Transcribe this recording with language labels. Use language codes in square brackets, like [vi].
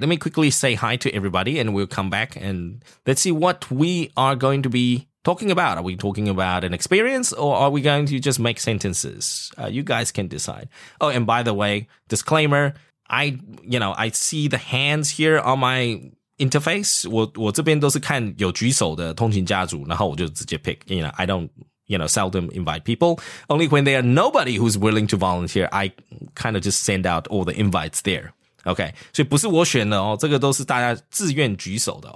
[en] Let me quickly say hi to everybody, and we'll come back and let's see what we are going to be talking about. Are we talking about an experience or are we going to just make sentences? You guys can decide. Oh, and by the way, disclaimer, I see the hands here on my interface. [zh] 我这边都是看有举手的通勤家族，然后我就直接 pick. [en] You know, I don't, you know, seldom invite people. Only when there are nobody who's willing to volunteer, I kind of just send out all the invites there. [zh] Okay, 所以不是我选的哦，这个都是大家自愿举手的。